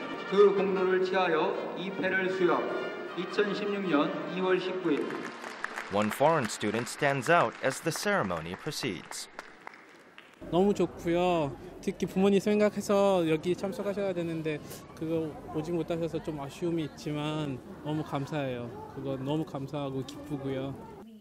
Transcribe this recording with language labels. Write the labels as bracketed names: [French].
[Korean] 그 공로를 취하여 이 패를 수여 2016년 2월 19일. [English] One foreign student stands out as the ceremony proceeds. [Korean] 너무 좋고요. 특히 부모님 생각해서 여기 참석하셔야 되는데 그거 오지 못하셔서 좀 아쉬움이 있지만 너무 감사해요. 그거 너무 감사하고 기쁘고요.